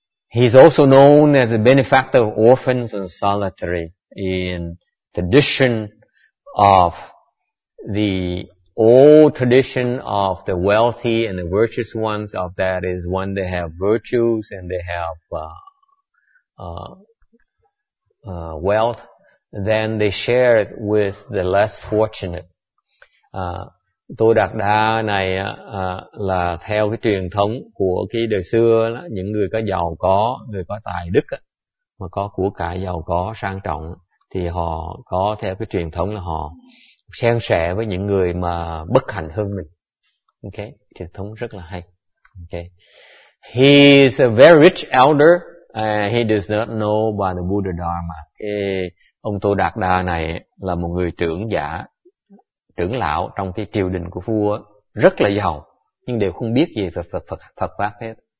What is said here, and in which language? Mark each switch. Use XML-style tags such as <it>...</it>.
<en>He is also known as a benefactor of orphans and solitary in tradition of the old tradition of the wealthy and the virtuous ones of that is when they have virtues and they have wealth, then they share it with the less fortunate.</en> <vi>Tô Đạt Đa này là theo cái truyền thống của cái đời xưa, những người có giàu có, người có tài đức mà có của cải giàu có sang trọng thì họ có theo cái truyền thống là họ san sẻ với những người mà bất hạnh hơn mình. Ok, truyền thống rất là hay.</vi> <en>Ok, he is a very rich elder. He does not know about the Buddha Dharma.</en> <vi>Ông Tô Đạt Đa này là một người trưởng giả, trưởng lão trong cái triều đình của vua, rất là giàu, nhưng đều không biết gì về Phật pháp hết.</vi>